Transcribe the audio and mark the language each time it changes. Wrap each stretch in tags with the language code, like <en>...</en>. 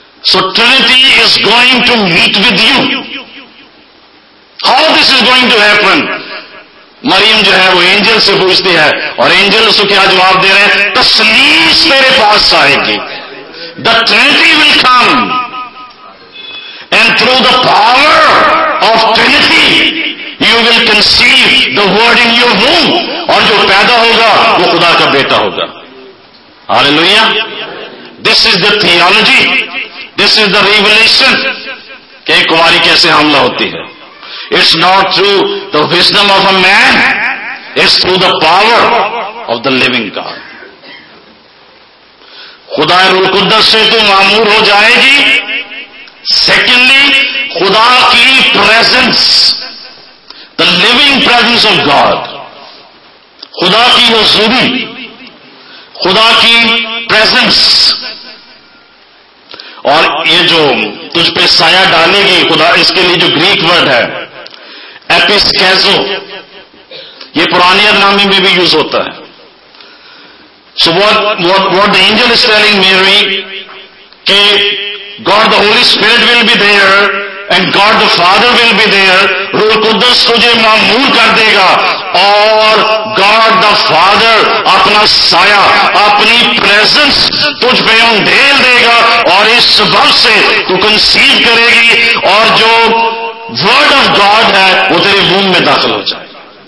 <en>So Trinity is going to meet with you. How this is going to happen,</en> <ur>مریم جو ہے وہ Angel سے پوچھتی ہے, اور اینجل اسے کیا جواب دے رہے ہیں, تسلیس میرے پاس آئے گی,</ur> <en>the Trinity will come, and through the power of Trinity you will conceive the word in your womb,</en> <ur>اور جو پیدا ہوگا وہ خدا کا بیٹا ہوگا.</ur> <en>Hallelujah. This is the theology. This is the revelation.</en> <ur>کہ ایک کماری کیسے حاملہ ہوتی ہے.</ur> <en>It's not through the wisdom of a man. It's through the power of the living God.</en> <ur>خدا روح القدس سے تو معمور ہو جائے گی. Secondly, خدا کی presence.</ur> <en>The living presence of God.</en> <ur>خدا کی حضوری, خدا کی پریزنس. اور یہ جو تجھ پہ سایہ ڈالے گی خدا, اس کے لیے جو گریک ورڈ ہے ایپسکیزو, یہ پرانے نامی میں بھی یوز ہوتا ہے.</ur> <en>So what the angel is telling Mary, کہ God the Holy Spirit will be there and God the Father will be there.</en> <ur>روح القدس تجھے معمور کر دے گا اور گاڈ دا فادر اپنا سایہ, اپنی پریزنس تجھ پہ اندھیل دے گا, اور اس سبب سے تو کنسیو کرے گی, اور جو ورڈ آف گاڈ ہے وہ تیرے ووم میں داخل ہو جائے گا.</ur>